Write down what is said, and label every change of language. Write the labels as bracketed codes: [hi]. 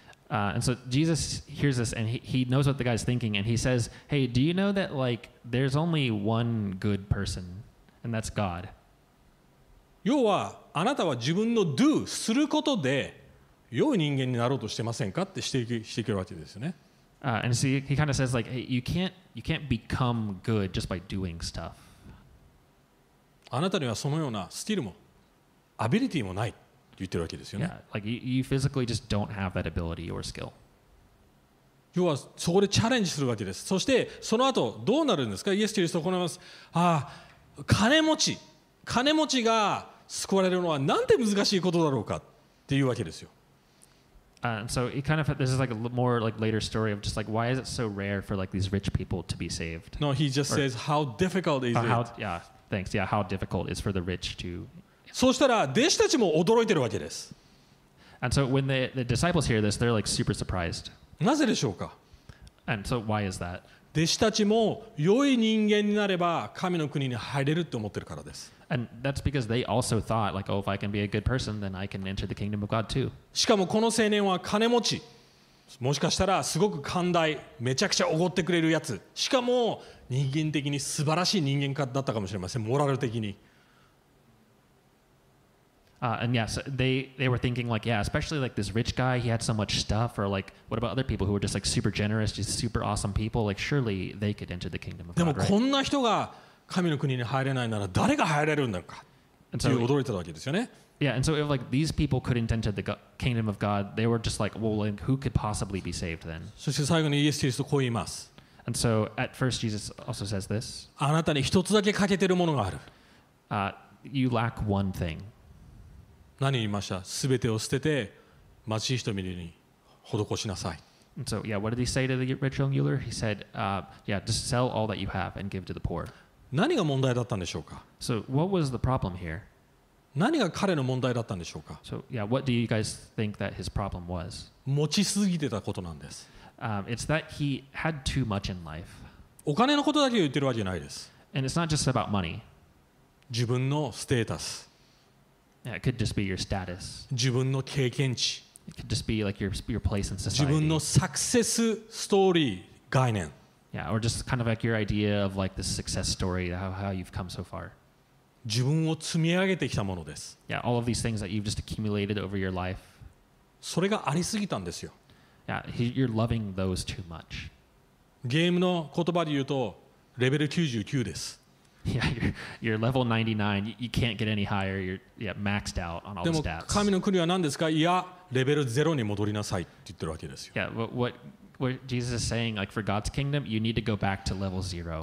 [en] And so Jesus hears this and he knows what the guy's thinking and he says, hey, do you know that like there's only one good person and that's God? [ja] 要はあなたは自分の do することで良い人間になろうとしてませんかって指摘るわけですよね。 [en] And so he kind of says like, hey, you can't become good just by doing stuff. [ja] あなたにはそのようなスキルもアビリティもない。言ってるわけですよね。 [en] Yeah, like you physically just don't have that ability or skill. [ja] 要はそこでチャレンジするわけです。そしてその後どうなるんですか？イエス・キリストは行います。ああ、金持ちが救われるのはなんて難しいことだろうかっていうわけですよ。 [en] So it kind of this is like a more like later story of just like why is it so rare for like these rich people to be saved? No, he just says how difficult is it? Yeah, thanks. Yeah, how difficult is for the rich to? [ja] そうしたら弟子たちも驚いてるわけです。 [en] And so when the disciples hear this, they're like super surprised. [ja] なぜでしょうか? [en] And so why is that? [ja] 弟子たちも良い人間になれば神の国に入れると思ってるからです。 [en] And that's because they also thought like, oh, if I can be a good person, then I can enter the kingdom of God too. [ja] しかもこの青年は金持ち。もしかしたらすごく寛大、めちゃくちゃおごってくれるやつ。しかも人間的に素晴らしい人間だったかもしれません。モラル的に。 [en] And yes, they were thinking like, yeah, especially like this rich guy, he had so much stuff, or like, what about other people who were just like super generous, just super awesome people, like surely they could enter the kingdom of God, [ja] でもこんな人が神の国に入れないなら誰が入れるんだか、っていう驚いたわけですよね。 [en] Yeah, and so if like these people couldn't enter the kingdom of God, they were just like, well, like, who could possibly be saved then? [ja] そして最後にイエス・キリストこう言います。 [en] And so at first Jesus also says this. [ja] あなたに一つだけ欠けてるものがある。 [en] You lack one thing. [ja] 何言いました? 全てを捨てて貧しい人見るに施しなさい。 [en] So, yeah, what did he say to the rich young ruler? He said, yeah, just sell all that you have and give to the poor. [ja] 何が問題だったんでしょうか? [en] So, what was the problem here? [ja] 何が彼の問題だったんでしょうか? [en] So, yeah, what do you guys think that his problem was? [ja] 持ちすぎてたことなんです。 [en] It's that he had too much in life. [ja] お金のことだけ言ってるわけじゃないです。 [en] And it's not just about money. [ja] 自分のステータス。 [en] It could just be your status. [ja] 自分の経験値。 [en] It could just be like your place in society. [ja] 自分のサクセスストーリー概念。 [en] Yeah, or just kind of like your idea of like the success story, how you've come so far. [ja] 自分を積み上げてきたものです。 [en] Yeah, all of these things that you've just accumulated over your life. [ja] それがありすぎたんですよ。 [en] Yeah, you're loving those too much. [ja] ゲームの言葉で言うとレベル99です。 [en] Yeah, you're level 99. You can't get any higher. You're maxed out on all the stats. [ja] でも神の国は何ですか?いや、レベル0に戻りなさいって言ってるわけですよ。 [en] Yeah, what Jesus is saying, like for God's kingdom, you need to go back to level 0.